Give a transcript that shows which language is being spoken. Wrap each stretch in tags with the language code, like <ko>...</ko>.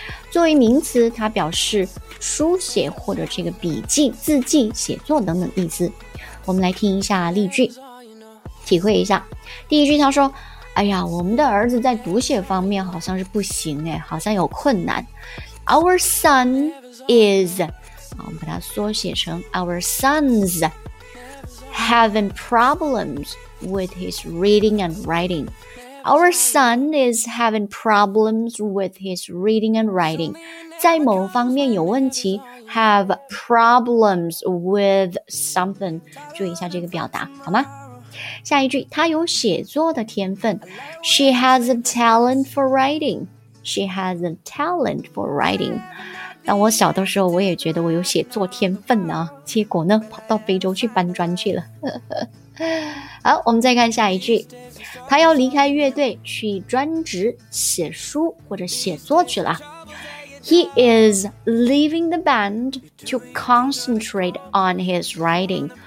<zh>作为名词，它表示书写或者这个笔记、字迹、写作等等意思。我们来听一下例句，体会一下。第一句他说，哎呀，我们的儿子在读写方面好像是不行哎，好像有困难。</zh> <en>Our son is...</en> <zh>我们把它缩写成</zh> <en>Our sons having problems with his reading and writing. Our son is having problems with his reading and writing.</en> <zh>在某方面有问题，</zh> <en>have problems with something.</en> <zh>注意一下这个表达，好吗？下一句，他有写作的天分。</zh> <en>She has a talent for writing. She has a talent for writing.</en> <zh>当我小的时候我也觉得我有写作天分啊，结果呢跑到非洲去搬砖去了。好，我们再看下一句，他要离开乐队去专职写书或者写作去了。</zh> <en>He is leaving the band to concentrate on his writing。</en>